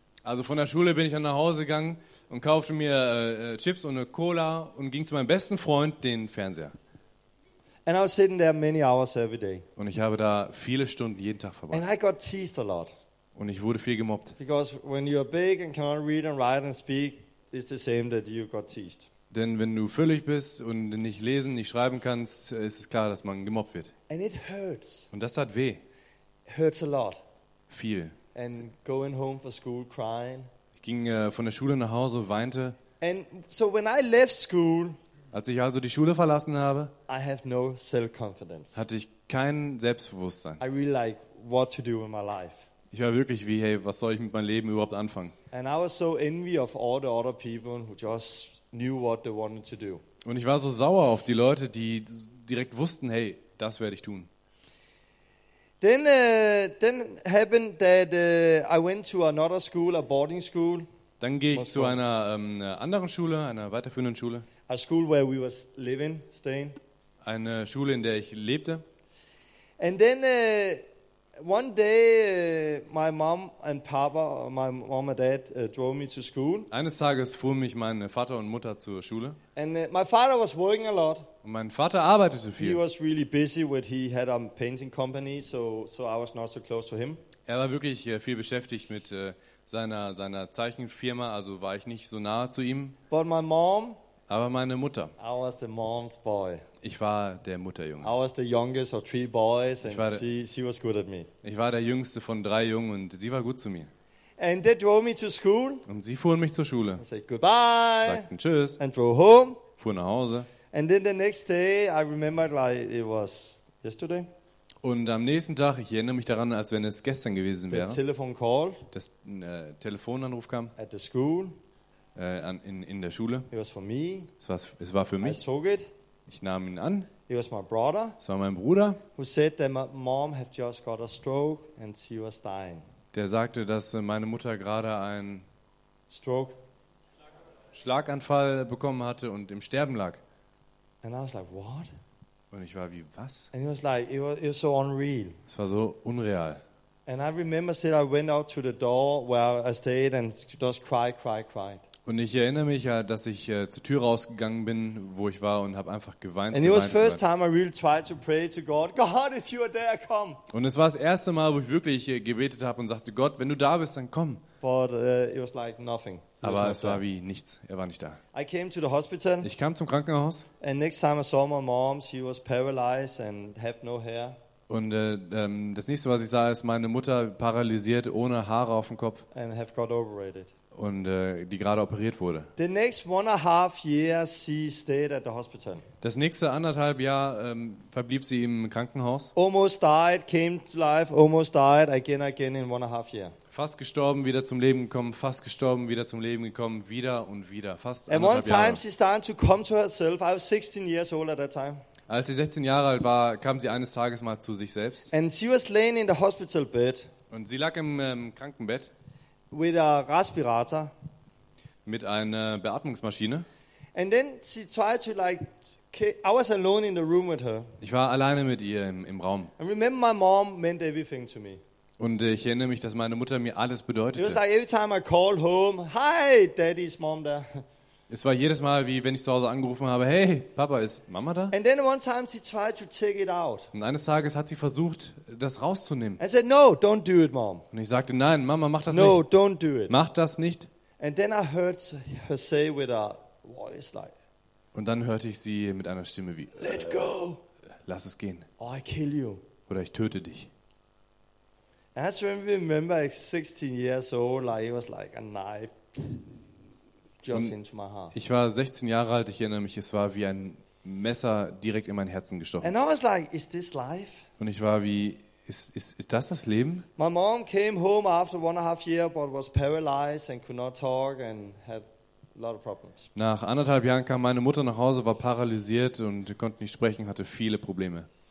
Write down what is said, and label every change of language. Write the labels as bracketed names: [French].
[German] Also von der Schule bin ich dann nach Hause gegangen und kaufte mir Chips und eine Cola und ging zu meinem besten Freund, den Fernseher. [English] And I was sitting there many hours every day. [German] Und ich habe da viele Stunden jeden Tag verbracht. [English] And I got teased a lot. [German] Und ich wurde viel gemobbt. [English] Because when you are big and cannot read and write and speak, it's the same that you got teased. [German] Denn wenn du völlig bist und nicht lesen, nicht schreiben kannst, ist es klar, dass man gemobbt wird. [English] And it hurts. [German] Und das tat weh. [English] It hurts a lot. [German] Viel. [English] And going home for school crying. [German] Ich ging von der Schule nach Hause, weinte. [English] And so when I left school, [German] als ich also die Schule verlassen habe, [English] I have no self-confidence. [German] Hatte ich kein Selbstbewusstsein. [English] I really like what to do with my life. [German] Ich war wirklich wie, hey, was soll ich mit meinem Leben überhaupt anfangen? [English] And I was so envy of all the other people who just knew what they wanted to do. [German] Und ich war so sauer auf die Leute, die direkt wussten, hey, das werde ich tun. [English] Then happened that I went to another school, a boarding school. [German] Dann gehe ich zu einer anderen Schule, einer weiterführenden Schule. [English] A school where we was living, staying. [German] Eine Schule, in der ich lebte. [English] And then one day my mom and papa, my mom and dad drove me to school. [German] Eines Tages fuhren mich mein Vater und Mutter zur Schule. [English] And my father was working a lot. [German] Und mein Vater arbeitete viel. [English] He was really busy with he had a painting company, so I was not so close to him. [German] Er war wirklich viel beschäftigt mit seiner Zeichenfirma, also war ich nicht so nahe zu ihm. [English] But my mom, [German] aber meine Mutter. [English] I was the mom's boy. [German] Ich war der Mutterjunge. [English] I was the youngest of three boys and she was good at me. [German] Ich war der jüngste von drei Jungen und sie war gut zu mir. [English] And they drove me to school. [German] Und sie fuhren mich zur Schule. [English] I said goodbye. [German] Sagten tschüss. [English] And drove home. [German] Fuhr nach Hause. [English] And then the next day I remembered like it was yesterday. [German] Und am nächsten Tag, ich erinnere mich daran, als wenn es gestern gewesen wäre. [English] The telephone call. [German] Das Telefonanruf kam. [English] At the school. [German] In der Schule. [English] It was for me. [German] Es war für mich. [English] I took it. [German] Ich nahm ihn an. [English] It was my brother. [German] Es war mein Bruder. [English] Who said that my mom had just got a stroke and she was dying. [German] Der sagte, dass meine Mutter gerade einen [English] Stroke. [German] Schlaganfall bekommen hatte und im Sterben lag. [English] And I was like, what? [German] Und ich war wie, was? [English] And he was like, it was so unreal. [German] Es war so unreal. [English] And I remember said I went out to the door where I stayed and just cried. [German] Und ich erinnere mich ja, dass ich zur Tür rausgegangen bin, wo ich war und habe einfach geweint. [English] And it was first time I really tried to pray to God. God, if you are there, come. [German] Und es war das erste Mal, wo ich wirklich gebetet habe und sagte, Gott, wenn du da bist, dann komm. [English] But it was like nothing. [German] Aber es war wie nichts. Er war nicht da. [English] I came to the hospital. [German] Ich kam zum Krankenhaus. [English] And next time I saw my mom, she was paralyzed and had no hair. [German] Und das nächste, was ich sah, ist meine Mutter paralysiert, ohne Haare auf dem Kopf. [English] And have got operated. [German] Und die gerade operiert wurde. [English] The next 1.5 years she stayed at the hospital. [German] Das nächste anderthalb Jahr verblieb sie im Krankenhaus. [English] Almost died, came to life, almost died, again in 1.5 years. [German] Fast gestorben, wieder zum Leben gekommen, fast gestorben, wieder zum Leben gekommen, wieder und wieder, fast anderthalb Jahre. [English] And one time she started to come to herself. I was 16 years old at that time. [German] Als sie 16 Jahre alt war, kam sie eines Tages mal zu sich selbst. [English] And she was laying in the hospital bed. [German] Und sie lag im Krankenbett. [English] With a respirator. [German] Mit einer Beatmungsmaschine. [English] And then she tried to like, I was alone in the room with her. [German] Ich war alleine mit ihr im Raum. [English] I remember my mom meant everything to me. [German] Und ich erinnere mich, dass meine Mutter mir alles bedeutete. [English] It was like every time I call home, hi, daddy's mom there. [German] Es war jedes Mal, wie wenn ich zu Hause angerufen habe, hey, Papa, ist Mama da? [English] And then one time she tried to take it out. [German] Und eines Tages hat sie versucht, das rauszunehmen. [English] I said, no, don't do it, Mom. [German] Und ich sagte, nein, Mama, mach das [English] no, [German] nicht. [English] No, don't do it. [German] Mach das nicht. [English] And then I heard her say with a voice like. [German] Und dann hörte ich sie mit einer Stimme wie. [English] Let go. [German] Lass es gehen. [English] Or I kill you. [German] Oder ich töte dich. [English] As when we remember, like 16 years old, like it was like a knife. [German] Ich war 16 Jahre alt, ich erinnere mich, es war wie ein Messer direkt in mein Herzen gestochen. [English] And I was like, is this life? [German] Und ich war wie, ist das das Leben? [English] My mom came home after 1.5 years but was paralyzed and could not talk and had a lot of problems. [German] Nach anderthalb Jahren kam meine Mutter nach Hause, war paralysiert und konnte nicht sprechen, hatte viele Probleme.